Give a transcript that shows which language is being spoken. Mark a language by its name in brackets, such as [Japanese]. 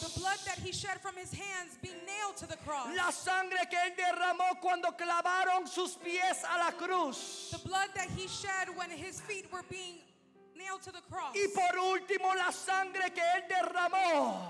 [English] The blood that he shed from his hands being nailed to the cross. [Spanish] La sangre que él derramó cuando clavaron sus pies a la cruz. [English] Blood that he shed when his feet were being nailed to the cross. [Spanish] Y por último, la sangre que él derramó.